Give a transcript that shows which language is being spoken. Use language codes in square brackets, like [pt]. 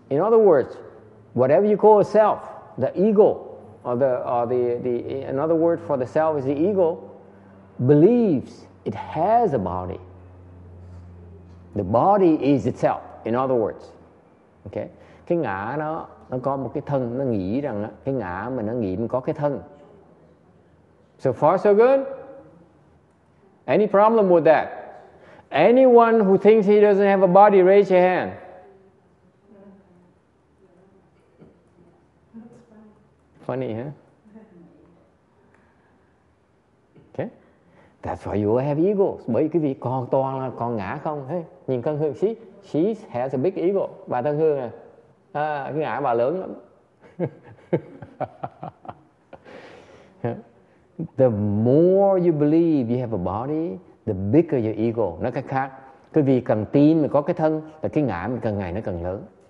[en] In other words, whatever you call a self, the ego, or the another word for the self is the ego, believes it has a body. The body is itself, in other words. Okay? [vi] Cái ngã đó, nó có một cái thân, nó nghĩ rằng cái ngã mà nó nghĩ mình có cái thân. [en] So far so good? Any problem with that? Anyone who thinks he doesn't have a body, raise your hand. Funny, huh? Okay. That's why you all have egos. [vi] Bởi cái vì còn toàn là còn ngã không. Hey, nhìn Tân Hương, [en] she has a big ego. [vi] Bà Tân Hương à, cái ngã bà lớn lắm. [en] the more you believe you have a body, the bigger your ego. [vi] Nói cách khác, cái vì càng tin mình có cái thân, là cái ngã mình càng ngày nó càng lớn.